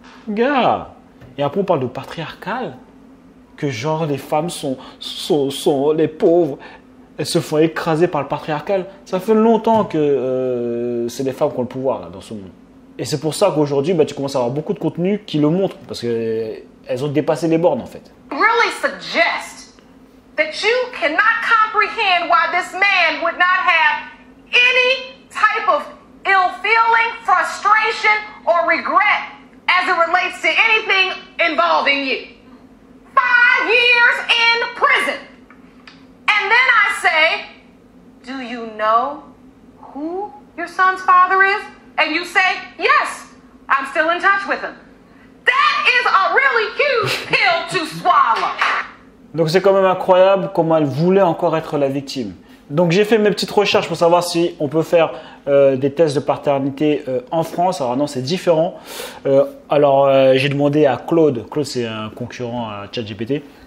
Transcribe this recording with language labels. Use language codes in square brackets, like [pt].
[fr] Gars, et après on parle de patriarcal. Que genre les femmes sont les pauvres, elles se font écraser par le patriarcal. Ça fait longtemps que c'est les femmes qui ont le pouvoir là, dans ce monde. Et c'est pour ça qu'aujourd'hui, bah, tu commences à avoir beaucoup de contenu qui le montre, parce qu'elles ont dépassé les bornes en fait. [en] Really suggest that you cannot comprehend why this man would not have any type of ill feeling, frustration or regret as it relates to anything involving you. 5 years in prison. And then I say, do you know who your son's father is? And you say, yes, I'm still in touch with him. That is a really huge pill to swallow. [fr] Donc c'est quand même incroyable comment elle voulait encore être la victime. Donc j'ai fait mes petites recherches pour savoir si on peut faire des tests de paternité en France. Alors non, c'est différent. J'ai demandé à Claude. Claude, c'est un concurrent à ChatGPT.